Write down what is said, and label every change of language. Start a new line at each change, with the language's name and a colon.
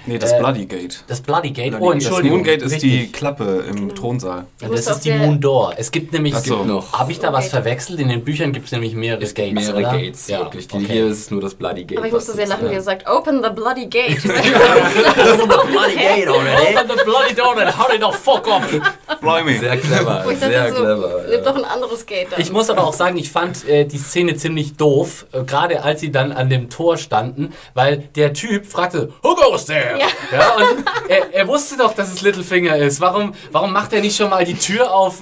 German: Nee, das Bloody Gate. Das Bloody Gate. Bloody, oh, Entschuldigung. Das Moongate ist richtig. Die Klappe im genau. Thronsaal. Ja, das ist die Moon Door. Es gibt nämlich so. Habe ich da was verwechselt? In den Büchern gibt es nämlich mehrere Gates. Mehrere oder? Gates, ja, wirklich. Okay. Hier ist nur das Bloody Gate. Aber ich musste sehr lachen, wie er sagt:
English: Open the Bloody Gate. Open the Bloody Gate already. Open the Bloody Door and hurry the fuck up.
German: Blimey. Sehr clever. Nimm doch ein anderes Gate dann. Ich muss aber auch sagen, ich fand die Szene ziemlich doof, gerade als sie dann an dem Tor standen, weil der Typ fragte,
English: who goes there?
German: Ja. Ja, und er wusste doch, dass es Littlefinger ist. Warum macht er nicht schon mal die Tür auf?